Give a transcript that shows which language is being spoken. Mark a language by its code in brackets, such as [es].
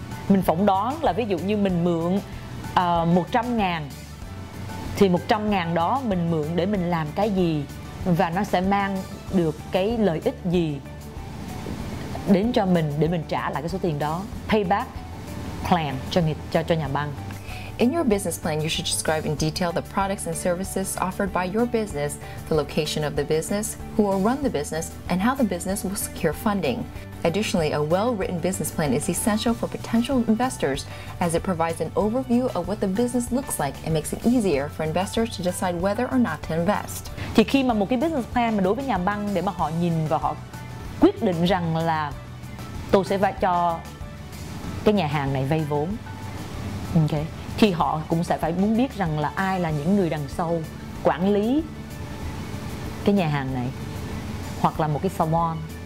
[vi] Mình phỏng đoán là ví dụ như mình mượn 100 ngàn thì 100 ngàn đó mình mượn để mình làm cái gì và nó sẽ mang được cái lợi ích gì đến cho mình để mình trả lại cái số tiền đó. [en] Payback plan [vi] cho nhà băng. [en] In your business plan, you should describe in detail the products and services offered by your business, the location of the business, who will run the business, and how the business will secure funding. Additionally, a well-written business plan is essential for potential investors as it provides an overview of what the business looks like and makes it easier for investors to decide whether or not to invest. [vi] Thì khi mà một cái business plan mà đối với nhà băng để mà họ nhìn và họ quyết định rằng là tôi sẽ vay cho cái nhà hàng này vay vốn. Okay. Thì họ cũng sẽ phải muốn biết rằng là ai là những người đằng sau quản lý cái nhà hàng này, hoặc là một cái salon.